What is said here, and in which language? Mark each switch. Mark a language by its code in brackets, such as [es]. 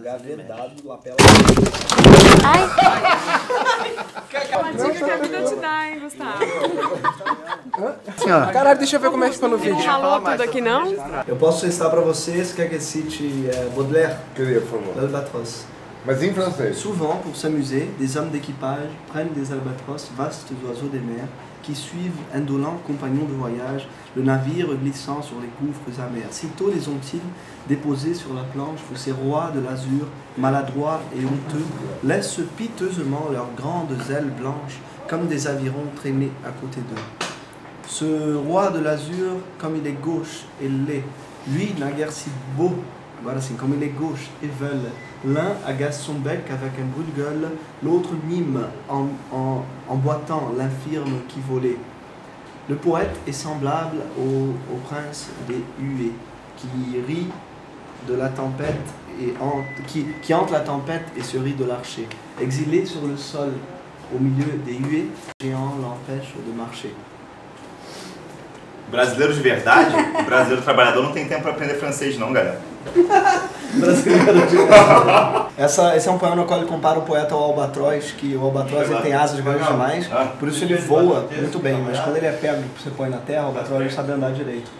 [pt] Gavetado, lapela. Ai! Uma dica que a vida te dá, hein, Gustavo? Senhora. Caralho, deixa eu ver como é que ficou no vídeo. Não falou tudo aqui, não? Eu posso citar pra você, se quer que eu cite Baudelaire? Queria, por favor. [fr] L'Albatros. [pt] Mas em francês? [fr] Souvent, pour s'amuser, des hommes d'équipage prennent des albatros, vastes oiseaux des mers, qui suivent indolents compagnons de voyage, le navire glissant sur les gouffres amers. Sitôt les ont-ils déposés sur la planche, où ces rois de l'azur, maladroits et honteux, laissent piteusement leurs grandes ailes blanches, comme des avirons traînés à côté d'eux. Ce roi de l'azur, comme il est gauche et laid, lui, naguère si beau, voilà, c'est comme il est gauche et veule, l'un agace son bec avec un bruit de gueule, l'autre mime en boitant l'infirme qui volait. Le poète est semblable au prince des huées, qui rit de la tempête et qui hante la tempête et se rit de l'archer. Exilé sur le sol au milieu des huées, le géant l'empêche de marcher. [pt] Brasileiro de verdade, o brasileiro trabalhador não tem tempo para aprender francês, não, galera. brasileiro de merda. Esse é um poema no qual ele compara o poeta ao albatroz, que o albatroz ele tem asas grandes demais, por isso ele voa muito bem, mas quando ele é pego, você põe na terra, o albatroz não sabe andar direito.